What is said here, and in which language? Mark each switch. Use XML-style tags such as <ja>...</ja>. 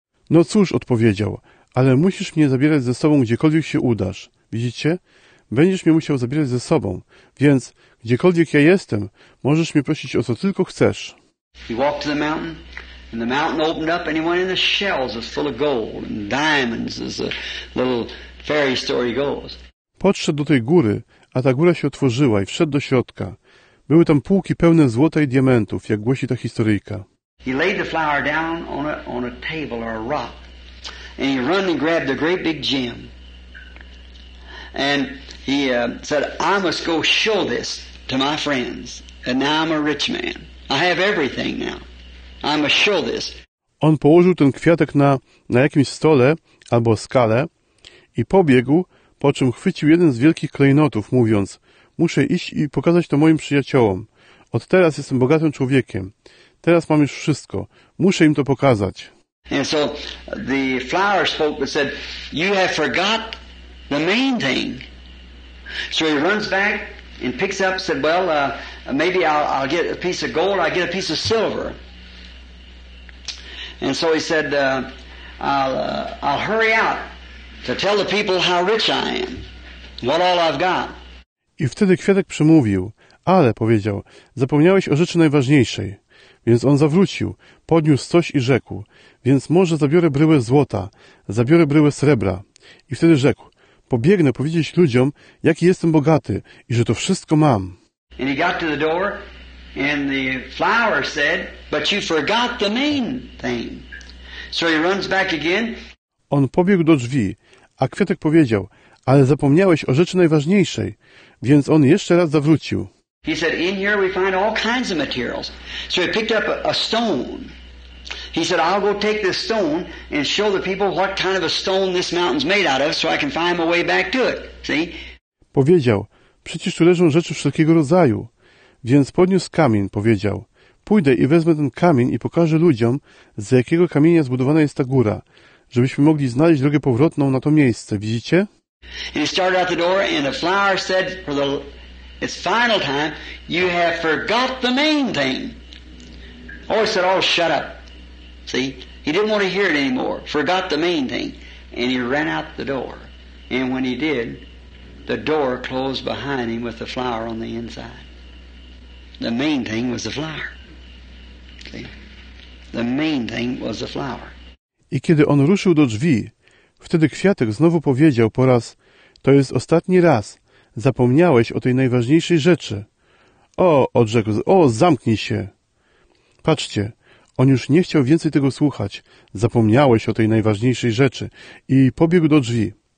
<pl>No cóż, odpowiedział, ale musisz mnie zabierać ze sobą, gdziekolwiek się udasz. Widzicie? Będziesz mnie musiał zabierać ze sobą, więc gdziekolwiek ja jestem, możesz mnie prosić o co tylko chcesz.</pl> <en>He walked to the mountain, and the mountain opened up, and he went in the shells full of gold and diamonds, as a little fairy story goes.</en> <pl>Podszedł do tej góry, a ta góra się otworzyła i wszedł do środka. Były tam półki pełne złota i diamentów, jak głosi ta historyjka.</pl> <en>He laid the flower down on a table or a rock, and he run and grabbed a great big gem, and he said, "I must go show this to my friends, and now I'm a rich man. I have everything now. I must show this."</en> <pl>On położył ten kwiatek na jakimś stole albo skale i pobiegł, po czym chwycił jeden z wielkich klejnotów, mówiąc: muszę iść i pokazać to moim przyjaciołom. Od teraz jestem bogatym człowiekiem. Teraz mam już wszystko. Muszę im to pokazać.</pl> <en>And so the flower spoke and said, "You have forgot the main thing." So he runs back and picks up, said, "Well, maybe I'll get a piece of gold, I'll get a piece of silver." And so he said, I'll hurry out to tell the people how rich I am, what all I've got."</en> <pl>I wtedy kwiatek przemówił, ale, powiedział, zapomniałeś o rzeczy najważniejszej. Więc on zawrócił, podniósł coś i rzekł, więc może zabiorę bryłę złota, zabiorę bryłę srebra. I wtedy rzekł, pobiegnę powiedzieć ludziom, jaki jestem bogaty i że to wszystko mam.</pl> <en>And he got to the door. And the flower said, "But you forgot the main thing." So he runs back again.</en> <pl>On pobiegł do drzwi, a kwiatek powiedział, ale zapomniałeś o rzeczy najważniejszej, więc on jeszcze raz zawrócił.</pl> <en>He said, "In here we find all kinds of materials." So he picked up a stone. He said, "I'll go take this stone and show the people what kind of a stone this mountain's made out of, so I can find my way back to it." See?</en> <pl>Powiedział, przecież tu leżą rzeczy wszelkiego rodzaju. Więc podniósł kamień, powiedział, pójdę i wezmę ten kamień i pokażę ludziom, z jakiego kamienia zbudowana jest ta góra, żebyśmy mogli znaleźć drogę powrotną na to miejsce, widzicie?</pl> <en>And he started out the door and the flower said, "For the it's final time, you have forgot the main thing." Oh, he said, "Oh, shut up." See, he didn't want to hear it anymore, forgot the main thing. And he ran out the door. And when he did, the door closed behind him with the flower on the inside. The main thing was the flower. See? The main thing was the flower.</en> <pl>I kiedy on ruszył do drzwi, wtedy kwiatek znowu powiedział po raz, to jest ostatni raz, zapomniałeś o tej najważniejszej rzeczy. O, odrzekł, o, zamknij się. Patrzcie, on już nie chciał więcej tego słuchać, zapomniałeś o tej najważniejszej rzeczy i pobiegł do drzwi.</pl>